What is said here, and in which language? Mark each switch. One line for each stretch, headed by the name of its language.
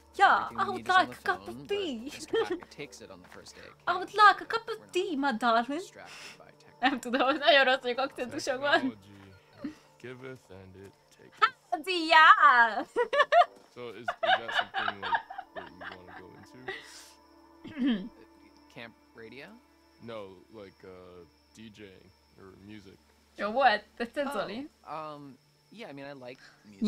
English: yeah, I would like a cup of tea. Takes it on the first day. I would like a cup of tea, my darling.
Hungarian: Nem tudom, hogy nagyon rossz vagyok akcentusokban.
English: Giveth and it takes. Hadi, yeah. So is that something like that you want to go into? Camp radio? No, like DJing or music. Yo, what? That's Zoli. Yeah, I mean, I like music.